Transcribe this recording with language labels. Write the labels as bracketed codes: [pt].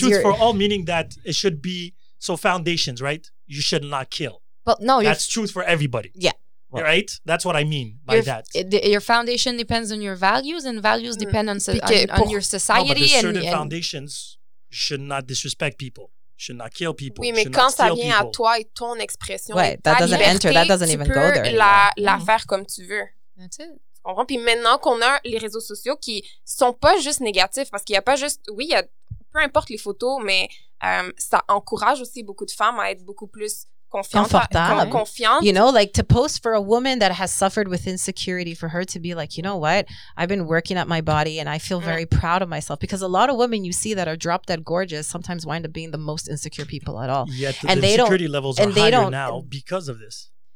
[en] truth for all, meaning that it should be so foundations, right? You should not kill. But no, that's truth for everybody. Yeah. Right? That's what I mean by Your foundation depends on your values, and values depend on your society. No, but there's certain foundations you should not disrespect people. Should not kill people. [fr] Oui, mais quand ça vient à toi et ton expression, [en] that doesn't enter. That doesn't even go there. [fr] La faire comme tu veux. [en] That's it. [fr] Tu comprends? Puis maintenant qu'on a les réseaux sociaux qui sont pas juste négatifs, parce qu'il y a pas juste, oui, il y a peu importe les photos, mais ça encourage aussi beaucoup de femmes à être beaucoup plus confiante. [en] You know, like to post for a woman that has suffered with insecurity, for her to be like, you know what? I've been working at my body and I feel very proud of myself. Because a lot of women you see that are drop dead gorgeous sometimes wind up being the most insecure people at all. Yet the insecurity levels are higher now because of this.